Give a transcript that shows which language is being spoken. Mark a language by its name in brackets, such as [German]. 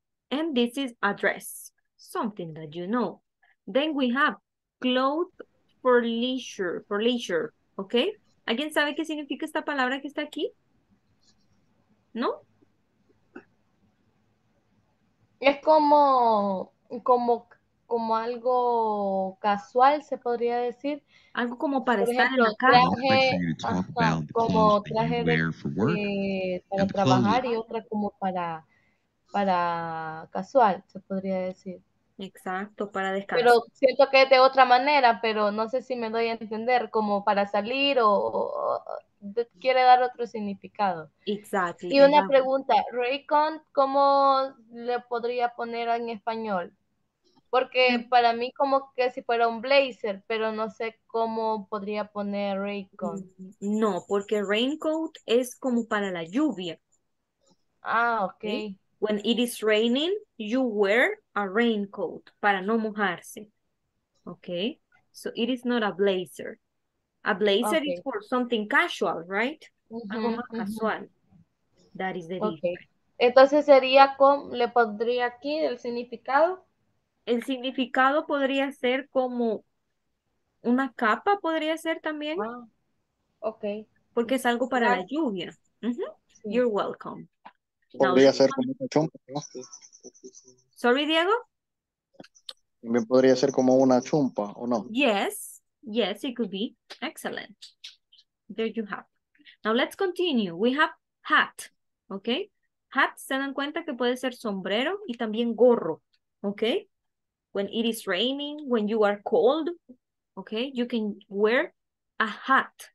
[English] And this is a dress, something that you know. Then we have clothes for leisure, okay? [Spanish] ¿Alguien sabe qué significa esta palabra que está aquí? ¿No? Es como algo casual, se podría decir. Algo como para por estar ejemplo, en la calle. Traje, como traje de, para trabajar y otra como para casual, se podría decir. Exacto, para descansar. Pero siento que es de otra manera, pero no sé si me doy a entender, como para salir o quiere dar otro significado. Exacto. Y una pregunta, Raycon, ¿cómo le podría poner en español? Porque para mí como que si fuera un blazer, pero no sé cómo podría poner raincoat. No, porque raincoat es como para la lluvia. Ah, okay. ¿Sí? [English] When it is raining, you wear a raincoat [Spanish] para no mojarse. [English] Okay? So it is not a blazer. A blazer okay. is for something casual, right? [Spanish] Algo más casual. [English] That is the difference. Okay. [Spanish] Entonces sería como, le pondría aquí el significado. El significado podría ser como una capa, podría ser también. Wow. Ok. Porque es algo para la lluvia. Uh-huh. Sí. [English] You're welcome. [Spanish] Podría ser como una chumpa, ¿no? [English] Sorry, Diego. [Spanish] También podría ser como una chumpa, ¿o no? [English] Yes. Yes, it could be. Excellent. There you have. Now let's continue. We have hat. Ok. [Spanish] Hat, se dan cuenta que puede ser sombrero y también gorro. Ok. [English] When it is raining, when you are cold, okay, you can wear a hat.